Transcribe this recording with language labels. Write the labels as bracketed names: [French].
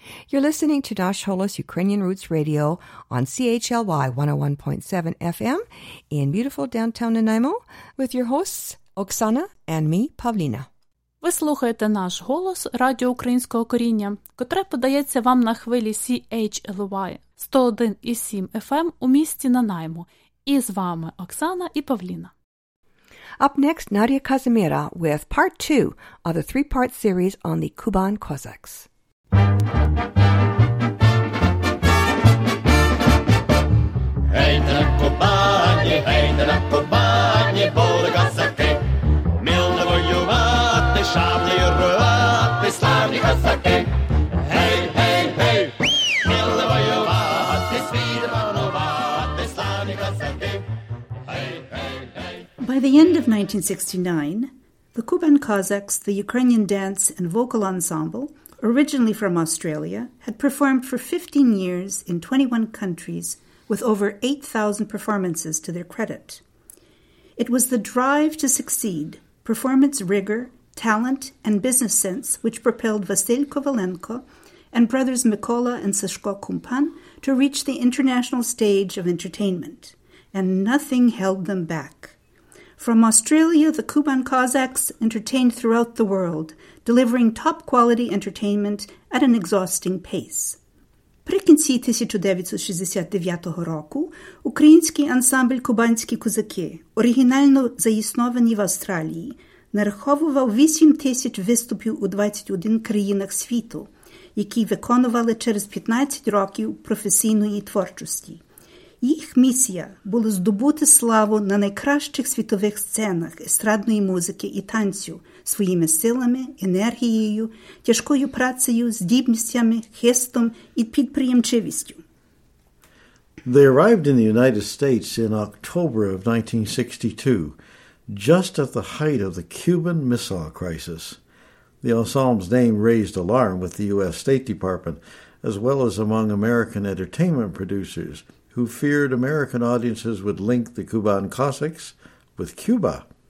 [English] To Dash Holos Ukrainian Roots Radio on CHLY 101.7 FM in beautiful downtown Nanaimo with your hosts Оксана, and me, Павліна. [Ukrainian] Ви слухаєте наш голос Радіо Українського коріння, котре подається вам на хвилі CHLY 101.7 FM у місті Нанаймо. І з вами Оксана і Павліна. [English] Up next, Nadia Kazimira with part 2 of the 3-part series on the Kuban Cossacks. [Ukrainian] Hey, Кубані, hey, Кубані, були косаки. Мило воювати, шаблею рвати, славні косаки. Hey, hey, hey. Мило воювати, світ панувати, славні косаки. Hey, hey, hey. [English] By the end of 1969, the Kuban Cossacks, the Ukrainian dance and vocal ensemble, originally from Australia, had performed for 15 years in 21 countries with over 8,000 performances to their credit. It was the drive to succeed, performance rigor, talent, and business sense which propelled Vasil Kovalenko and brothers Mykola and Sashko Kumpan to reach the international stage of entertainment, and nothing held them back. From Australia, the Kuban Cossacks entertained throughout the world, delivering top-quality entertainment at an exhausting pace. [Ukrainian] Прикінці 1969 року український ансамбль «Кубанські козаки», оригінально заіснований в Австралії, нараховував 8 тисяч виступів у 21 країнах світу, які виконували через 15 років професійної творчості. Їх місія була здобути славу на найкращих світових сценах естрадної музики і танцю своїми силами, енергією, тяжкою працею, здібностями, хистом і підприємчивістю. [English] They arrived in the United States in October of 1962, just at the height of the Cuban Missile Crisis. The ensemble's name raised alarm with the U.S. State Department, as well as among American entertainment producers, who feared American audiences would link the Kuban Cossacks with Cuba.